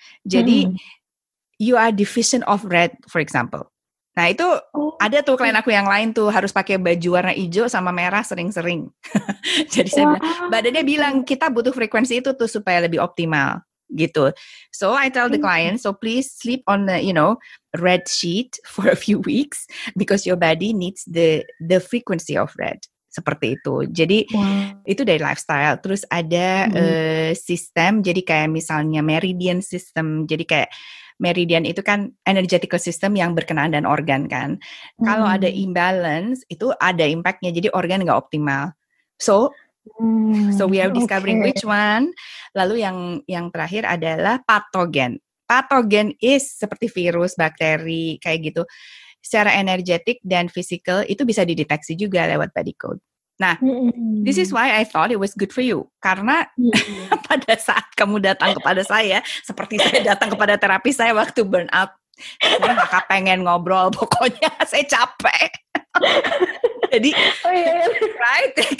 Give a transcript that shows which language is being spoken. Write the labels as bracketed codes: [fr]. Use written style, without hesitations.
[en] Jadi, you are deficient of red, for example. [id] Nah, itu ada tuh klien aku yang lain tuh, harus pakai baju warna hijau sama merah sering-sering. Jadi, saya bilang, badannya bilang, kita butuh frekuensi itu tuh supaya lebih optimal. Gitu. [en] So, I tell the client, so please sleep on the, you know, red sheet for a few weeks, because your body needs the frequency of red. [id] Seperti itu. Jadi itu dari lifestyle. Terus ada sistem. Jadi kayak misalnya meridian system. Jadi kayak meridian itu kan energetical system yang berkenaan dan organ kan. Kalau ada imbalance, itu ada impact-nya. Jadi organ nggak optimal. [en] So we are discovering which one. [id] Lalu yang terakhir adalah patogen. Patogen is seperti virus, bakteri, kayak gitu. Secara energetik dan physical itu bisa dideteksi juga lewat body code. [en] Nah, this is why I thought it was good for you. [id] Karena pada saat kamu datang kepada saya, seperti saya datang kepada terapi saya waktu burn out, saya gak pengen ngobrol, pokoknya saya capek. [en] Jadi, right?